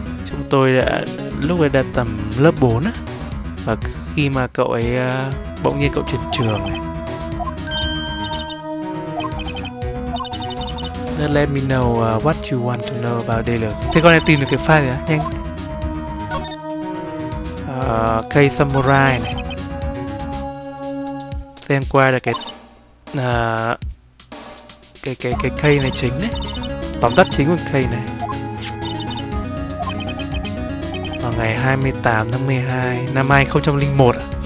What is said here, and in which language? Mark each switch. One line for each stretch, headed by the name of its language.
Vietnamese: Chúng tôi đã lúc ấy đã tầm lớp 4 á. Và khi mà cậu ấy bỗng nhiên cậu chuyển trường này.
English: Just let me know what you want to know about Delos.
Vietnamese: Thế con này tìm được cái file rồi á, nhanh. Cây Samurai này. Xem qua là cái cây này chính đấy, tóm tắt chính của cây này vào ngày 28 tháng 12 năm 2001.